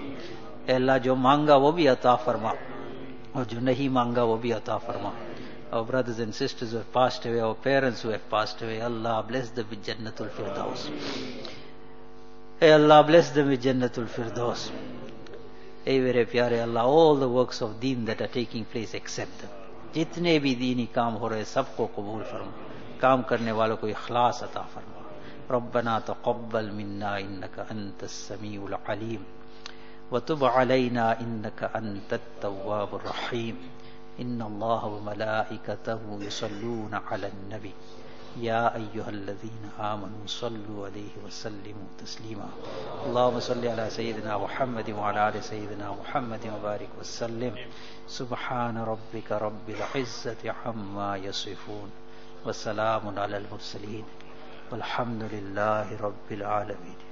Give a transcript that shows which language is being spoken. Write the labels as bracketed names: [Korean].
[Urdu] اے اللہ جو مانگا وہ بھی عطا فرما اور جو نہیں مانگا وہ بھی عطا فرما. [English] Our brothers and sisters who have passed away, our parents who have passed away, Allah bless them with Jannat al-Firdaus. اے اللہ bless them with Jannat al-Firdaus. [Urdu] اے میرے پیارے اللہ, [English] all the works of deen that are taking place, accept them. [Urdu] جتنے بھی دینی کام ہو رہے سب کو قبول فرما, کام کرنے والوں کو اخلاص عطا فرما. [Arabic] ربنا تقبل منا انك انت السميع العليم وتب علينا انك انت التواب الرحيم ان الله وملائكته يصلون على النبي يا ايها الذين امنوا صلوا عليه وسلموا تسليما اللهم صل على سيدنا محمد وعلى ال سيدنا محمد وبارك وسلم سبحان ربك رب العزه عما يصفون وسلام على المرسلين والحمد لله رب العالمين.